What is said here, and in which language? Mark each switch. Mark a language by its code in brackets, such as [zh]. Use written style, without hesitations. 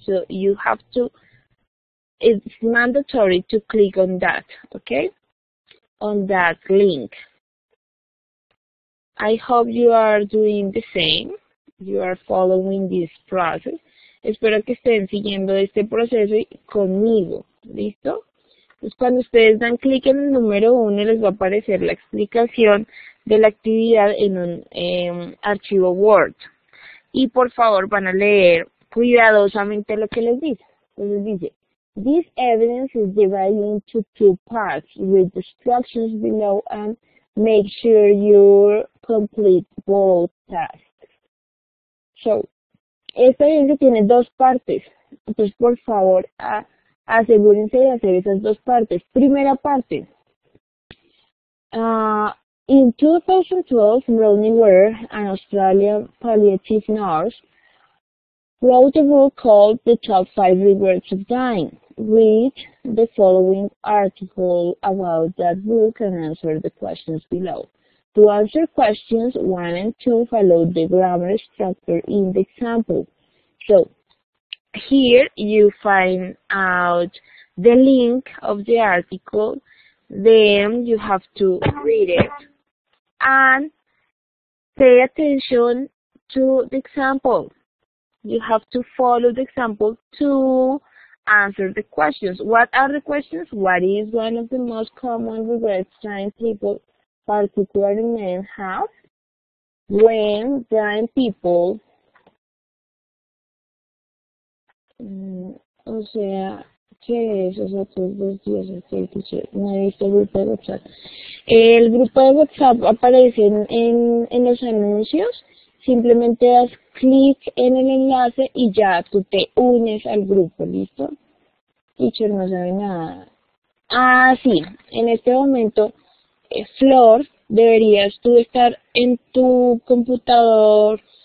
[en] So you have to, it's mandatory to click on that, okay, on that link. I hope you are doing the same. You are following this process. [es] Espero que estén siguiendo este proceso conmigo. ¿Listo? Pues cuando ustedes dan clic en el número 1, les va a aparecer la explicación de la actividad en un archivo Word. Y por favor, van a leer cuidadosamente lo que les dice. Entonces dice, [en] this evidence is divided into two parts with the instructions below and make sure you complete both tasks. [es] So, esta evidencia tiene dos partes, entonces por favor asegúrense de hacer esas dos partes. Primera parte, [en] in 2012, Melanie Ware, an Australian palliative nurse, wrote a book called The Top 5 Regrets of Dying. Read the following article about that book and answer the questions below. To answer questions 1 and 2, follow the grammar structure in the example. So, here you find out the link of the article, then you have to read it, and pay attention to the example. You have to follow the example to answer the questions. What are the questions? What is one of the most common regrets dying people, particularly men, have when dying people, [es] o sea, ¿qué es? O sea, pues, dos días, no he visto el grupo de WhatsApp. El grupo de WhatsApp aparece en los anuncios, simplemente das clic en el enlace y ya tú te unes al grupo, ¿listo? Teacher, no sabe nada. Ah, sí, en este momento, Flor, deberías tú estar en tu computador.